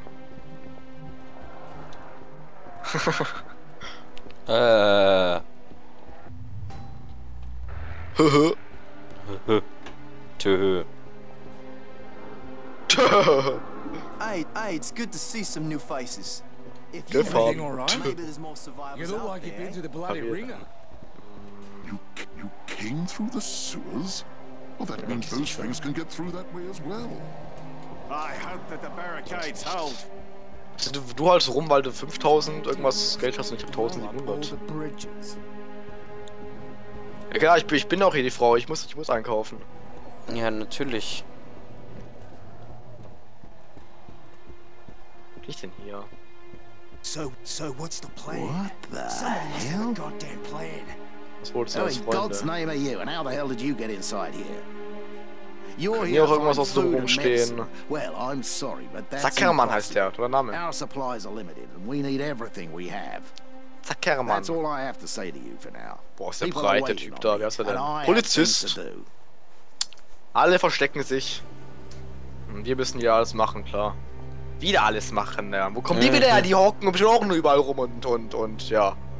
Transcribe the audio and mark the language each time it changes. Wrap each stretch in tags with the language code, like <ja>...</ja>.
<en>Hey, it's good to see some new faces. If you're feeling alright, maybe there's more survivors. You look out like you've been to the bloody ringer. You came through the sewers? Well, that means those things can get through that way as well. I hope that the barricades hold.</en> <de>Du halt rum, weil du 5000 irgendwas Geld hast und ich hab 1700. Ja klar, ich bin auch hier die Frau, ich muss einkaufen. Ja, natürlich. Was bin ich denn hier?</de> <en>So, what's the plan? What the hell? Goddamn plan.</en> <de>Was wolltest du als Freunde?</de> <en>In God's name are you, and how the hell did you get inside here?</en> <de>Zackermann heißt der, oder Name?</de> <en>Our supplies are limited and we need everything we have.</en> <de>Zackermann.</de> <en>That's all I have to say to you for now.</en> <de>Boah, ist der breit, der Typ da, wer ist er denn? Polizist. Alle verstecken sich. Und wir müssen hier alles machen, klar. Wieder alles machen, ja. Wo kommen die wieder her? Die hocken bestimmt auch nur überall rum und ja.</de>